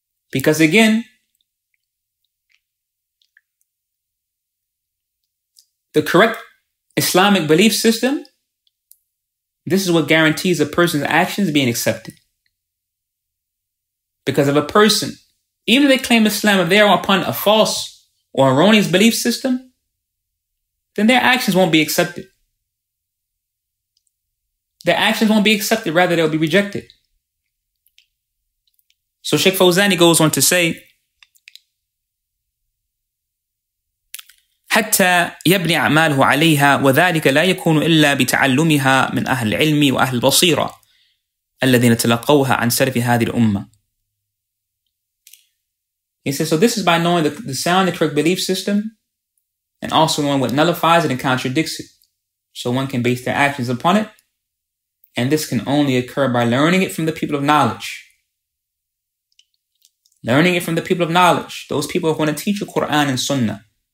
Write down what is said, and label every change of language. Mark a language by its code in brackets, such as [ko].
[en] Because again, the correct Islamic belief system, this is what guarantees a person's actions being accepted. Because if a person even if they claim Islam, if they are upon a false or erroneous belief system, then their actions won't be accepted. Their actions won't be accepted, rather they'll be rejected. So Sheikh Fawzani goes on to say, [ar] حَتَّى يَبْنِ أَعْمَالُهُ عَلَيْهَا وَذَلِكَ لَا يَكُونُ إِلَّا بِتَعَلُّمِهَا مِنْ أَهْلِ الْعِلْمِ وَأَهْلِ الْبَصِيرَةِ الَّذِينَ تَلَقَّوْهَا عَنْ سَلَفِ هَذِهِ الْأُمَّةِ. [en] He says, so this is by knowing the sound, the correct belief system, and also knowing what nullifies it and contradicts it. So one can base their actions upon it. And this can only occur by learning it from the people of knowledge. Learning it from the people of knowledge. Those people who are going to teach you Quran and Sunnah.